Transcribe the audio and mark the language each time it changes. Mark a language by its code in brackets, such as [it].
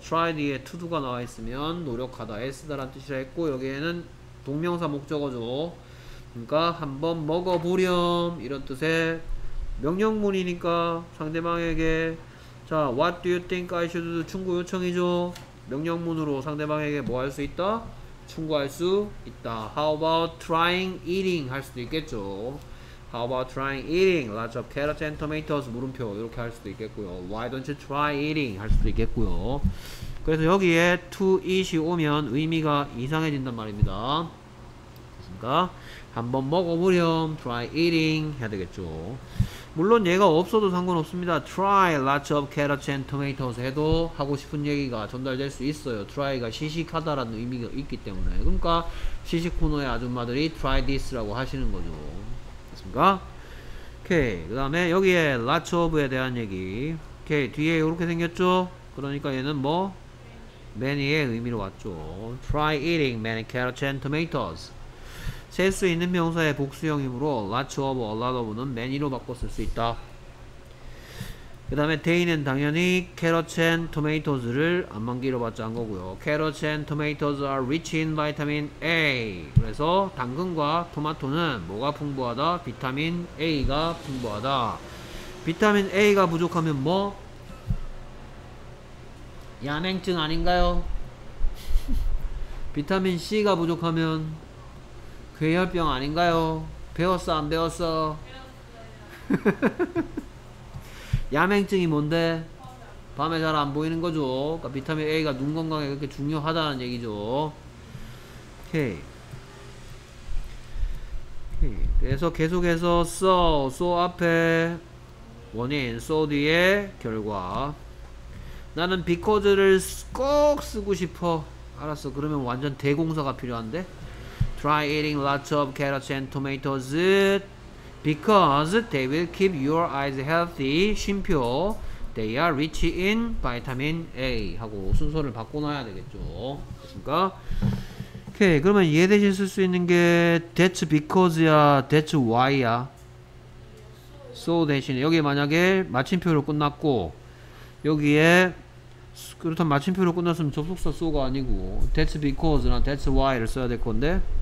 [ko] try 뒤에 to도가 나와있으면 노력하다, 애쓰다란 뜻이라 했고, 여기에는 동명사 목적어죠. 그러니까 한번 먹어보렴 이런 뜻의 명령문이니까 상대방에게, 자 [en] what do you think I should do [ko] 충고 요청이죠. 명령문으로 상대방에게 뭐 할 수 있다? 충고할 수 있다. [en] how about trying eating [ko] 할 수도 있겠죠. [en] How about trying eating lots of carrots and tomatoes? [ko] 물음표 이렇게 할 수도 있겠고요. [en] Why don't you try eating? [ko] 할 수도 있겠고요. 그래서 여기에 to it이 오면 의미가 이상해진단 말입니다. 있으니까 한번 먹어보렴. Try eating 해야 되겠죠. 물론 얘가 없어도 상관없습니다. [en] Try lots of carrots and tomatoes [ko] 해도 하고 싶은 얘기가 전달될 수 있어요. Try가 시식하다라는 의미가 있기 때문에. 그러니까 시식 코너의 아줌마들이 [en] Try this [ko] 라고 하시는 거죠. 됐습니까? 오케이. 그 다음에 여기에 lots of에 대한 얘기. 오케이. 뒤에 이렇게 생겼죠? 그러니까 얘는 뭐? many의 의미로 왔죠. [en] Try eating many carrots and tomatoes. [ko] 셀 수 있는 명사의 복수형이므로 lots of, a lot of는 many로 바꿔 쓸 수 있다. 그 다음에 day는 당연히 carrots and tomatoes를 안만기로 봤자 한 거고요. [en] Carrots and tomatoes are rich in vitamin A. [ko] 그래서 당근과 토마토는 뭐가 풍부하다? 비타민 A가 풍부하다. 비타민 A가 부족하면 뭐? 야맹증 아닌가요? 비타민 C가 부족하면 괴혈병 아닌가요? 배웠어 안 배웠어? 야맹증이 뭔데? 밤에 잘 안 보이는 거죠. 그러니까 비타민 A가 눈 건강에 그렇게 중요하다는 얘기죠. 오케이. 오케이. 그래서 계속해서 so, so 앞에 원인, so 뒤에 결과. 나는 because를 꼭 쓰고 싶어. 알았어. 그러면 완전 대공사가 필요한데? [en] Try eating lots of carrots and tomatoes because they will keep your eyes healthy. [ko] 쉼표. [en] They are rich in vitamin A. [ko] 하고 순서를 바꿔놔야 되겠죠. 그렇습니까? 오케이. 그러면 얘 대신 쓸 수 있는 게 that's because야, that's why야? So 대신에 여기 만약에 마침표로 끝났고 여기에 그렇다면 마침표로 끝났으면 접속사 so가 아니고 that's because나 that's why를 써야 될 건데.